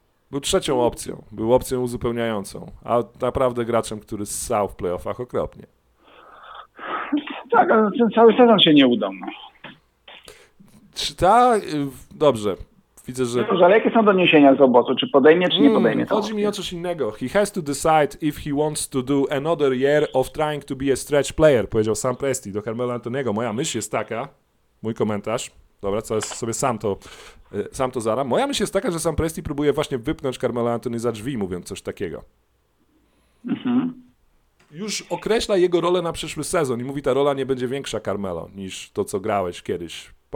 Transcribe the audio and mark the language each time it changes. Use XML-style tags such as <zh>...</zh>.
<pl>Był trzecią opcją, był opcją uzupełniającą, a naprawdę graczem, który ssał w playoffach okropnie. Tak, ale ten cały sezon się nie udał. No. Czy ta... Dobrze. Widzę, że... Dobrze, ale jakie są doniesienia z obozu? Czy podejmie, czy nie podejmie? Chodzi mi o coś innego.</pl> <en>He has to decide if he wants to do another year of trying to be a stretch player,</en> <pl>powiedział Sam Presti do Carmelo Antoniego. Moja myśl jest taka, mój komentarz, dobra, co jest sobie sam to zaram. Moja myśl jest taka, że Sam Presti próbuje właśnie wypchnąć Carmelo Anthony za drzwi, mówiąc coś takiego. Mhm. Już określa jego rolę na przyszły sezon i mówi, ta rola nie będzie większa, Carmelo, niż to, co grałeś kiedyś.</pl>